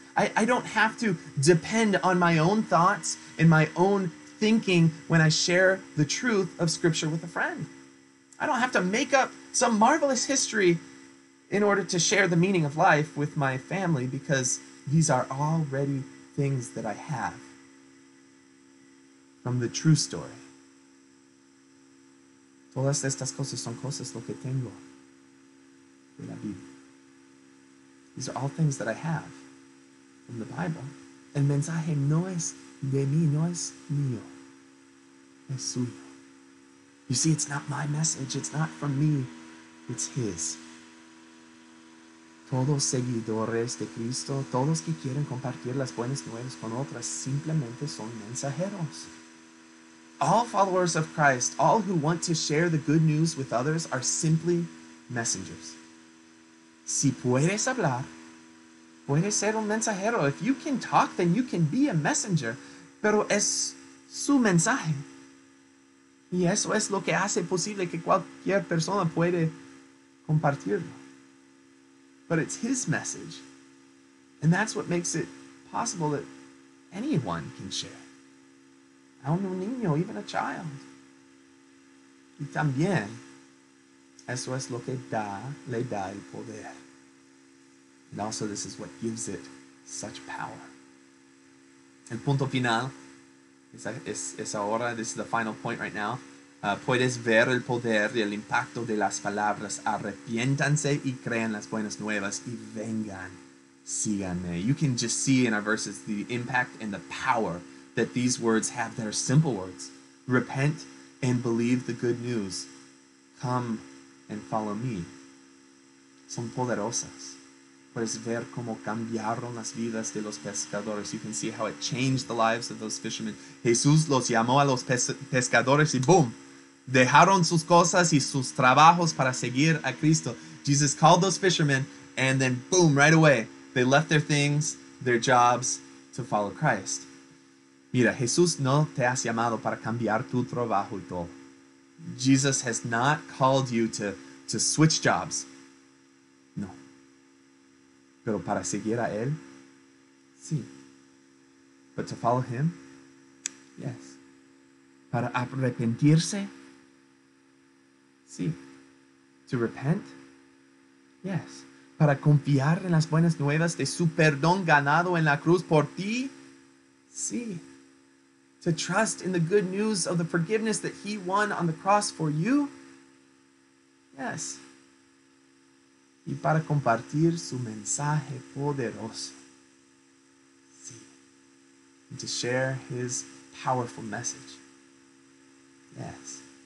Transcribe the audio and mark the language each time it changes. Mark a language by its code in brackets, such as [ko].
[en] I don't have to depend on my own thoughts and my own thinking when I share the truth of Scripture with a friend. I don't have to make up some marvelous history in order to share the meaning of life with my family, because these are already things that I have from the true story. [es] Todas estas cosas son cosas lo que tengo de la Biblia. [en] These are all things that I have from the Bible. [es] El mensaje no es de mí, no es mío. Es suyo. [en] You see, it's not my message, it's not from me, it's his. [es] Todos seguidores de Cristo, todos que quieren compartir las buenas nuevas con otras, simplemente son mensajeros. [en] All followers of Christ, all who want to share the good news with others, are simply messengers. [es] Si puedes hablar, puedes ser un mensajero. [en] If you can talk, then you can be a messenger. [es] Pero es su mensaje. Y eso es lo que hace posible que cualquier persona puede compartirlo. [en] But it's his message. And that's what makes it possible that anyone can share. [es] Aún un niño, [en] even a child. [es] Y también, eso es lo que le da el poder. [en] And also, this is what gives it such power. [es] El punto final es ahora, [en] this is the final point right now. [es] Puedes ver el poder y el impacto de las palabras. Arrepiéntanse y crean las buenas nuevas y vengan, síganme. [en] You can just see in our verses the impact and the power that these words have. They're simple words. Repent and believe the good news. Come and follow me. [es] Son poderosas. Puedes ver cómo cambiaron las vidas de los pescadores. [en] You can see how it changed the lives of those fishermen. [es] Jesús los llamó a los pescadores y boom, dejaron sus cosas y sus trabajos para seguir a Cristo. [en] Jesus called those fishermen and then boom, right away, they left their things, their jobs to follow Christ. [es] Mira, Jesús no te has llamado para cambiar tu trabajo y todo. [en] Jesus has not called you to switch jobs. [es] No. Pero para seguir a Él, sí. [en] But to follow Him, yes. [es] Para arrepentirse, sí. [en] To repent, yes. [es] Para confiar en las buenas nuevas de su perdón ganado en la cruz por ti, sí. [en] To trust in the good news of the forgiveness that He won on the cross for you, yes. [es] Y para compartir su mensaje poderoso. Sí. [en] And to share His powerful message. Yes.